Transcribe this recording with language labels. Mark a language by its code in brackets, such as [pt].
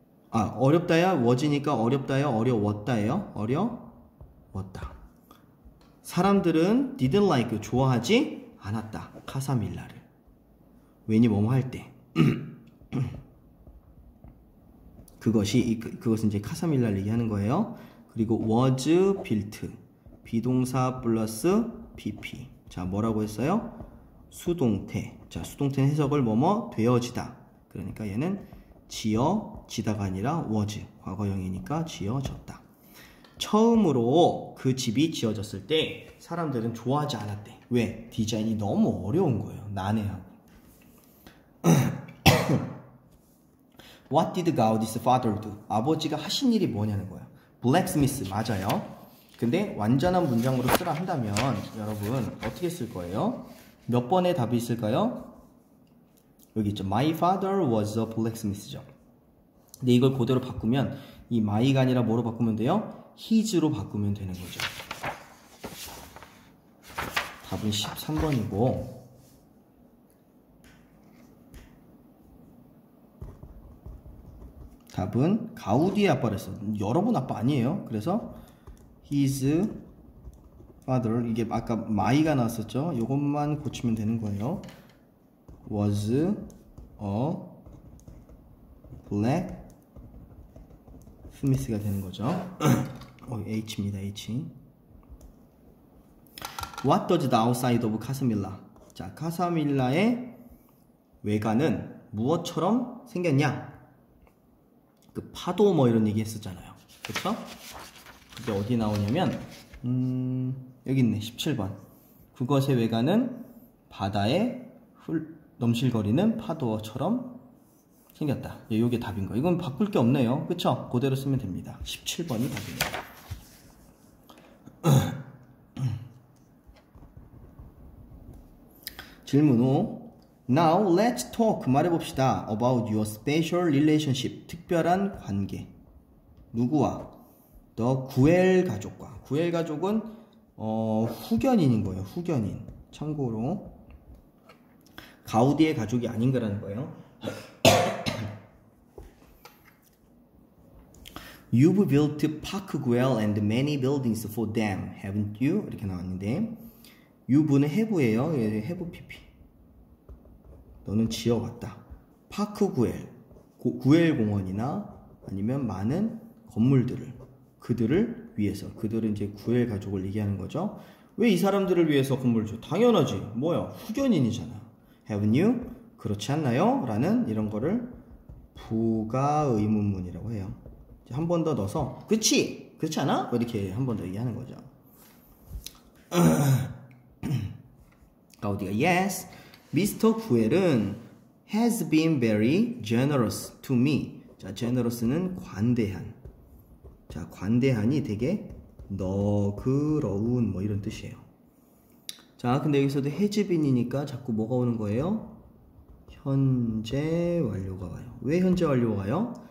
[ko] 아, 어렵다야 was니까 어렵다야 어려웠다예요. 어려웠다. 사람들은 [en] didn't like, [ko] 좋아하지 않았다. 카사밀라를. 왜니 뭐뭐 할 때. 그것이, 그것은 이제 카사밀라를 얘기하는 거예요. 그리고 [en] was built. [ko] 비동사 플러스 pp. 자, 뭐라고 했어요? 수동태. 자, 수동태는 해석을 뭐뭐 되어지다. 그러니까 얘는 지어지다가 아니라 was. 과거형이니까 지어졌다. 처음으로 그 집이 지어졌을 때 사람들은 좋아하지 않았대. 왜? 디자인이 너무 어려운 거예요. 난해하고. [en] What did Gaudi's father do? [ko] 아버지가 하신 일이 뭐냐는 거야. Blacksmith, 맞아요. 근데 완전한 문장으로 쓰라 한다면 여러분 어떻게 쓸 거예요? 몇 번의 답이 있을까요? 여기 있죠. [en] My father was a blacksmith죠. [ko] 근데 이걸 그대로 바꾸면 이 my가 아니라 뭐로 바꾸면 돼요? his로 바꾸면 되는 거죠. 답은 13번이고 답은 가우디의 아빠랬어. 여러분 아빠 아니에요. 그래서 his father, 이게 아까 my가 나왔었죠. 이것만 고치면 되는 거예요. [en] was a black smith가 [ko] 되는 거죠. H입니다. H. [en] What does the outside of Casamilla? [ko] 자, 카사밀라의 외관은 무엇처럼 생겼냐? 그 파도 뭐 이런 얘기 했었잖아요. 그쵸? 그게 어디 나오냐면 여기 있네. 17번. 그것의 외관은 바다에 넘실거리는 파도처럼 생겼다. 예, 이게 답인 거예요. 이건 바꿀 게 없네요. 그쵸? 그대로 쓰면 됩니다. 17번이 답입니다. 질문 5. [en] Now let's talk, [ko] 말해봅시다. [en] About your special relationship, [ko] 특별한 관계. 누구와? The 구엘 가족과. 구엘 가족은 후견인인 거예요. 후견인. 참고로 가우디의 가족이 아닌 거라는 거예요. [en] You've built Park Güell and many buildings for them, haven't you? [ko] 이렇게 나왔는데 You've는 have예요. 예, have pp. 너는 지어왔다. 파크 구엘, 구엘 공원이나 아니면 많은 건물들을 그들을 위해서. 그들은 이제 구엘 가족을 얘기하는 거죠. 왜 이 사람들을 위해서 건물을 줘? 당연하지. 뭐야, 후견인이잖아. [en] Haven't you? [ko] 그렇지 않나요? 라는 이런 거를 부가 의문문이라고 해요. 한 번 더 넣어서 그렇지! 그렇지 않아? 이렇게 한 번 더 얘기하는 거죠. 가우디가 yes! Mr. [en] Güell은 has been very generous to me. [ko] 자, generous는 관대한. 자, 관대한이 되게 너그러운 뭐 이런 뜻이에요. 자, 근데 여기서도 has been이니까 자꾸 뭐가 오는 거예요? 현재 완료가 와요. 왜 현재 완료가 와요?